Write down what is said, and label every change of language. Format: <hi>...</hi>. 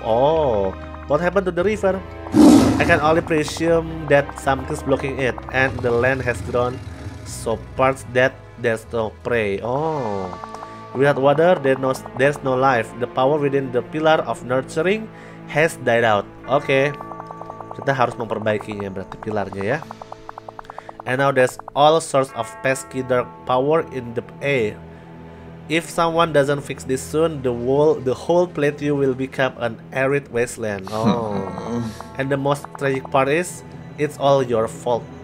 <en>Oh, what happened to the river? I can only presume that something's blocking it and the land has grown so parched that there's no prey. Without water, there's no life. The power within the pillar of nurturing has died out.</en> <id>Okay, kita harus memperbaikinya berarti pilarnya ya.</id> <en>And now there's all sorts of pesky dark power in the air. If someone doesn't fix this soon, the whole plateau will become an arid wasteland. And the most tragic part is, it's all your fault.</en>